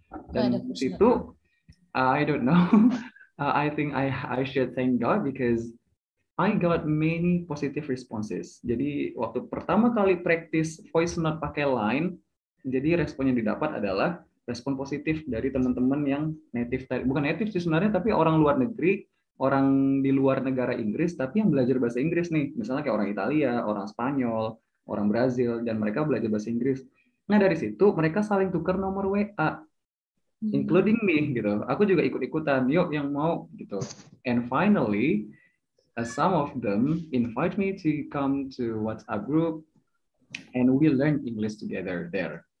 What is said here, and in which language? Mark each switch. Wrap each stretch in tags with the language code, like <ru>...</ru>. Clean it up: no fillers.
<id>Dan di situ,</id> <en>I don't know, I think I should thank God because I got many positive responses.</en> <id>Jadi, waktu pertama kali practice voice note pakai Line, jadi respon yang didapat adalah respon positif dari teman-teman yang native. Bukan native sih sebenarnya, tapi orang luar negeri, orang di luar negara Inggris, tapi yang belajar bahasa Inggris nih. Misalnya kayak orang Italia, orang Spanyol, orang Brazil, dan mereka belajar bahasa Inggris. Nah, dari situ, mereka saling tukar nomor WA.</id> <en>Including me,</en> <id>gitu. Aku juga ikut-ikutan, yuk yang mau, gitu.</id> <en>And finally, some of them invite me to come to WhatsApp group, and we learn English together there.</en>